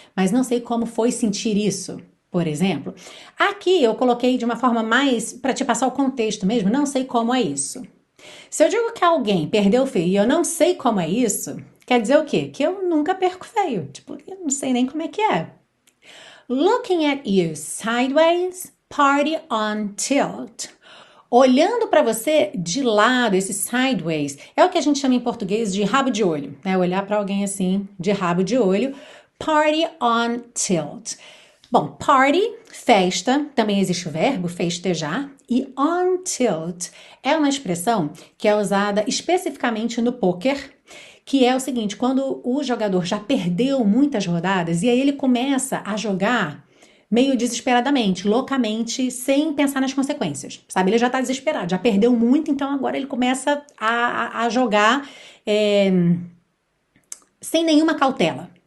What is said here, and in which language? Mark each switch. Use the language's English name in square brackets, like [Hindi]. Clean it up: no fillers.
[Portuguese] Mas não sei como foi sentir isso. Por exemplo, aqui eu coloquei de uma forma mais para te passar o contexto mesmo, não sei como é isso. Se eu digo que alguém perdeu o feio e eu não sei como é isso, quer dizer o quê? Que eu nunca perco feio. Tipo, eu não sei nem como é que é. [English] Looking at you sideways, party on tilt. [Portuguese] Olhando para você de lado, esse sideways, é o que a gente chama em português de rabo de olho, né? Olhar para alguém assim, de rabo de olho. [English] Party on tilt. [Portuguese] Bom, party, festa, também existe o verbo festejar, e on tilt é uma expressão que é usada especificamente no poker, que é o seguinte, quando o jogador já perdeu muitas rodadas e aí ele começa a jogar meio desesperadamente, loucamente, sem pensar nas consequências, sabe? Ele já tá desesperado, já perdeu muito, então agora ele começa a jogar sem nenhuma cautela.